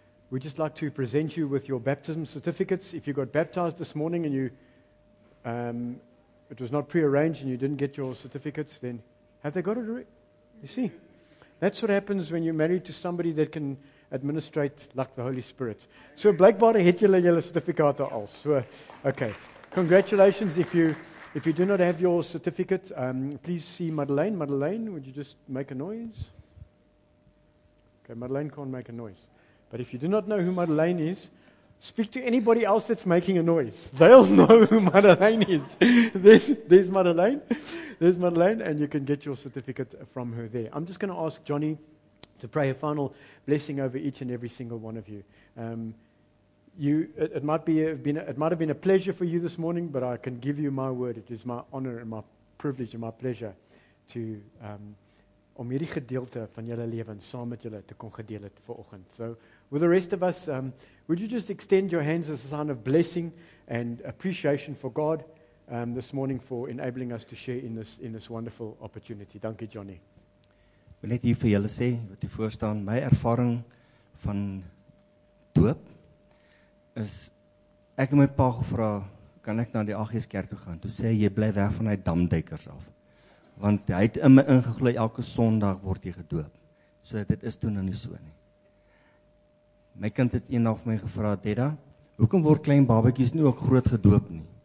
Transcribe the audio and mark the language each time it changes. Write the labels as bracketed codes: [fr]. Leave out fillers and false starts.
[en] We'd just like to present you with your baptism certificates. If you got baptized this morning and it was not prearranged and you didn't get your certificates, then have they got it? You see, that's what happens when you're married to somebody that can administrate like the Holy Spirit. [af] So, blijkbaar het julle julle certificate al. [en] So, okay. Congratulations, if you do not have your certificate, please see Madeleine. Madeleine, would you just make a noise? Okay, Madeleine can't make a noise. But if you do not know who Madeleine is, speak to anybody else that's making a noise. They'll know who Madeleine is. There's Madeleine. There's Madeleine, and you can get your certificate from her there. I'm just going to ask Johnny to pray a final blessing over each and every single one of you. It might have been a pleasure for you this morning, but I can give you my word. It is my honor and my privilege and my pleasure to [af] om hierdie gedeelte van julle lewens saam met julle te kon gedeel het vanoggend. [en] So, with the rest of us, would you just extend your hands as a sign of blessing and appreciation for God this morning for enabling us to share in this wonderful opportunity. [af] Dankie, Johnny. Wil net hier vir julle sê wat u voorstaan, my ervaring van doop is, ek en my pa gevra, kan ek na die AG's kerk toe gaan? Toe sê jy bly weg van die damduikers af. Want hy het in my ingegloei, elke Sondag word jy gedoop. So dit is toen nou nie so nie. My kind het een dag my gevra, Dada, hoekom word klein babekies nie ook groot gedoop nie?